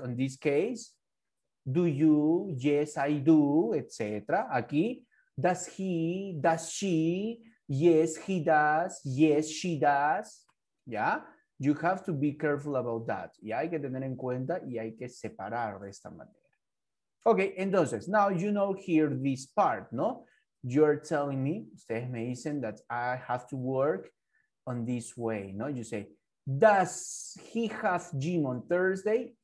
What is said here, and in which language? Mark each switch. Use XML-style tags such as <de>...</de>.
<en>In this case, do you, yes, I do, etc.</en> <es>Aquí,</es> <en>does he, does she, yes, he does. Yes, she does. Yeah, you have to be careful about that.</en> <es>Y hay que tener en cuenta y hay que separar de esta manera.</es> <en>Okay,</en> <es>entonces,</es> <en>now you know here this part, no? You're telling me,</en> <es>ustedes me dicen</es> <en>that I have to work on this way, no? You say, does he have gym on Thursday?</en>